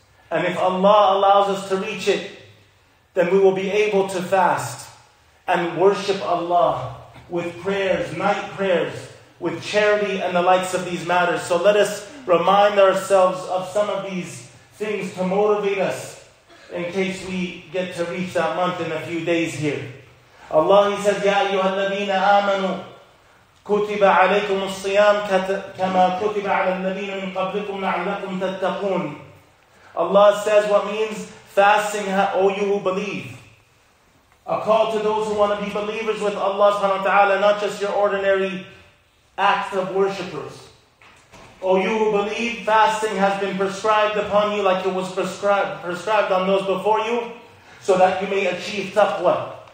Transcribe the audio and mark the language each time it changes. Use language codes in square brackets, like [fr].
[en] And if Allah allows us to reach it, then we will be able to fast and worship Allah with prayers, night prayers, with charity and the likes of these matters. So let us remind ourselves of some of these things to motivate us in case we get to reach that month in a few days here. Allah, He says, [ar] يَا أَيُّهَا الَّذِينَ آمَنُوا كُتِبَ عَلَيْكُمُ الصِّيَامُ كَمَا كُتِبَ عَلَى الَّذِينَ مِنْ قَبْلِكُمْ لَعَلَّكُمْ تَتَّقُونَ. [en] Allah says, what means fasting, O you who believe. A call to those who want to be believers with Allah subhanahu wa ta'ala, not just your ordinary acts of worshippers. O you who believe, fasting has been prescribed upon you like it was prescribed on those before you, so that you may achieve taqwa.